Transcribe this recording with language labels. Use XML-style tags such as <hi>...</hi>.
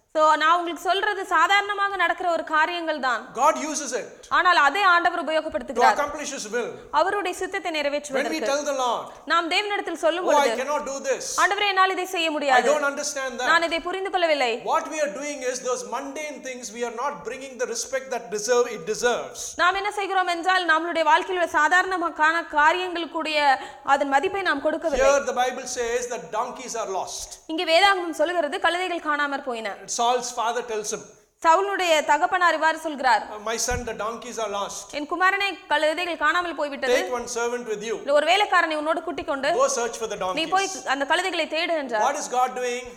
<ta>So நான் உங்களுக்கு சொல்றது சாதாரணமாக நடக்கிற ஒரு காரியங்கள் தான்.</ta> <en>God uses it.</en> <ta>ஆனால் அதே ஆண்டவர் உபயோகப்படுத்துகிறார்.</ta> <en>To accomplish his will.</en> <ta>அவருடைய சித்தத்தை நிறைவேற்றுவதற்கு.</ta> <en>When we tell the Lord.</en> <ta>நாம் தேவனிடத்தில் சொல்லும்போது.</ta> <en>Oh, I cannot do this.</en> <ta>ஆண்டவரே என்னால் இதை செய்ய முடியாது.</ta> <en>I don't understand that.</en> <ta>நான் இதை புரிந்துகொள்ளவில்லை.</ta> <en>What we are doing is those mundane things we are not bringing the respect that deserve it deserves.</en> <ta>நாம் என்ன செய்கிறோம் என்றால் நம்மளுடைய வாழ்க்கையில் உள்ள சாதாரணமான காரியங்களுக்குரிய அதன் மதிப்பை நாம் கொடுக்கவில்லை.</ta> <en>Here the Bible says that donkeys are lost.</en> <ta>இங்கே வேதாகமம் சொல்கிறது கழுதைகள் காணாமற் போயின.</ta> <en>Saul's father tells him.</en> <ta>சவுலுடைய தகப்பனார் இவ்வாறு சொல்கிறார்.</ta> <en>My son, the donkeys are lost.</en> <ta>என் குமாரனே கழுதைகள் காணாமல் போய்விட்டது.</ta> <en>Take one servant with you.</en> <ta>ஒரு வேலைக்காரனை உன்னோடு கூட்டிக் கொண்டு.</ta> <en>Go search for the donkeys.</en> <ta>நீ போய் அந்த கழுதைகளை தேடு என்றார்.</ta> <en>What is God doing?</en>